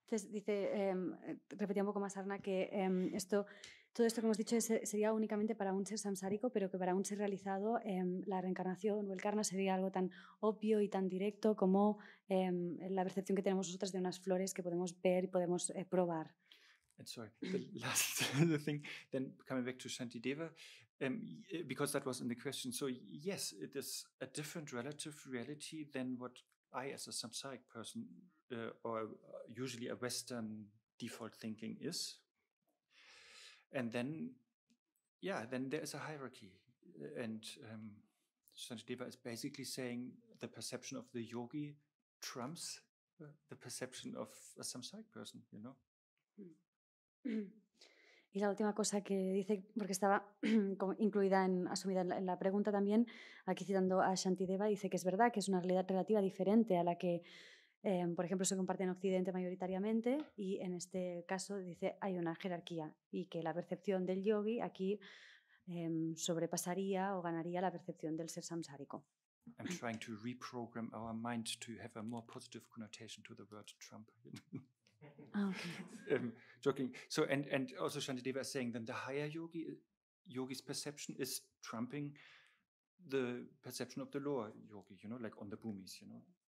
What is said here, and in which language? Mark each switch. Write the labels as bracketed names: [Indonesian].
[Spanish] Dice, repetía un poco más Arna, que todo esto que hemos dicho sería únicamente para un ser samsárico, pero que para un ser realizado la reencarnación o el karma sería algo tan obvio y tan directo como la percepción que tenemos nosotros de unas flores que podemos ver y podemos probar. [English] And sorry, the last the thing, then coming back to Shantideva, because that was in the question. So yes, it is a different relative reality than what I as a samsaric person or usually a Western default thinking is. And then, yeah, then there is a hierarchy. And Shantideva is basically saying the perception of the yogi trumps the perception of a samsaric person, you know? [Spanish] Y la última cosa que dice, porque estaba incluida, asumida en la pregunta también, aquí citando a Shantideva, dice que es verdad que es una realidad relativa diferente a la que, por ejemplo, se comparte en Occidente mayoritariamente, y en este caso dice hay una jerarquía y que la percepción del yogi aquí sobrepasaría o ganaría la percepción del ser samsárico. [English] I'm trying to reprogram our mind to have a more positive connotation to the word Trump. Okay. Joking. So and also Shantideva is saying then the higher yogi's perception is trumping the perception of the lower yogi, you know, like on the bhumis, you know.